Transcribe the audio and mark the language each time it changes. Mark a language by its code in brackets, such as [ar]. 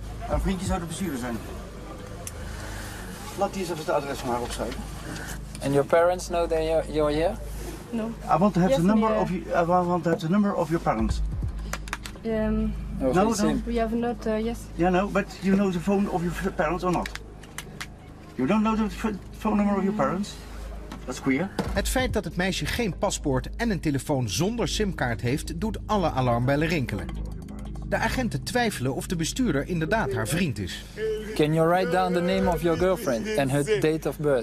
[nl] Een vriendje zou de bestuurder zijn. Laat die eens even het adres van haar opschrijven. [en] And your parents know that you're here? No. I want to have the number of your parents. No, we have not. Yes. Yeah, no, but you know the phone of your parents or not? You don't know the phone number of your parents? That's queer. [nl] Het feit dat het meisje geen paspoort en een telefoon zonder simkaart heeft, doet alle alarmbellen rinkelen. De agenten twijfelen of de bestuurder inderdaad haar vriend is. [en] Can you write down the name of your girlfriend and her date of birth?